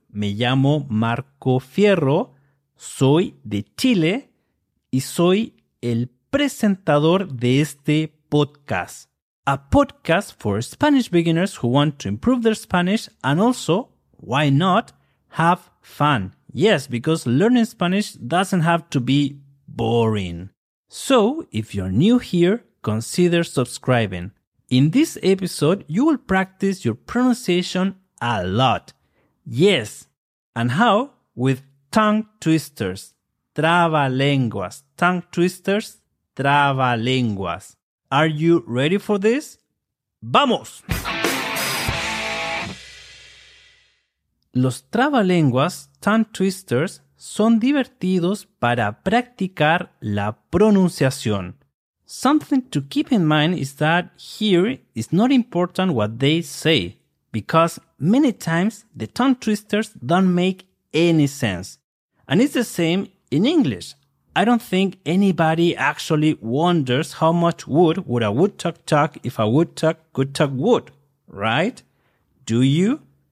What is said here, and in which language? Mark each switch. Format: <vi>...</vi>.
<es>Me llamo Marco Fierro, soy de Chile y soy el presentador de este podcast.</es> <en>A podcast for Spanish beginners who want to improve their Spanish and also, why not, have fun. Yes, because learning Spanish doesn't have to be boring. So, if you're new here, consider subscribing. In this episode, you will practice your pronunciation a lot. Yes, and how? With tongue twisters.</en> <es>Trabalenguas.</es> <en>Tongue twisters.</en> <es>Trabalenguas.</es> <en>Are you ready for this?</en> <es>¡Vamos! Los trabalenguas,</es> <en>tongue twisters,</en> <es>son divertidos para practicar la pronunciación.</es> <en>Something to keep in mind is that here is not important what they say, because many times the tongue twisters don't make any sense. And it's the same in English. I don't think anybody actually wonders how much wood would a woodchuck chuck if a woodchuck could chuck wood, right? Do you?</en>